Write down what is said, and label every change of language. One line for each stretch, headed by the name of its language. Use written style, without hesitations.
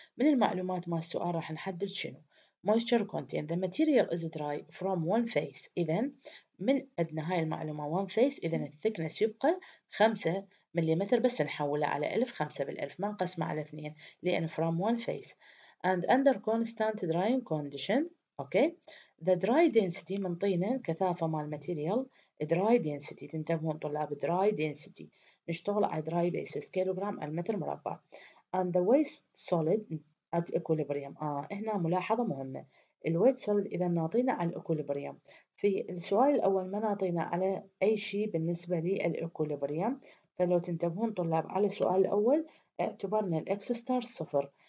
Arabic: من المعلومات مال السؤال راح نحدد شنو مويستشر كونتين.
English: the material is dry from 1 face,
Arabic: اذا من عندنا هاي المعلومه 1 فيس، اذا الثيكنس يبقى 5 مليمتر، بس نحولها على 1000 5 بال1000، ما نقسمها على 2 لان
English: From 1 face. And under constant drying condition, okay, the dry density
Arabic: منطينا كثافة مع الماتيريال
English: dry density،
Arabic: تنتبهون طلاب
English: dry density،
Arabic: نشتغل على
English: dry basis كيلوغرام المتر مربع. And the waste solid at equilibrium.
Arabic: هنا ملاحظة مهمة. الـ waste solid إذا نعطينا على equilibrium. في السؤال الأول ما نعطينا على أي شيء بالنسبة للـ equilibrium. فلو تنتبهون طلاب على السؤال الأول اعتبرنا الـ X star صفر.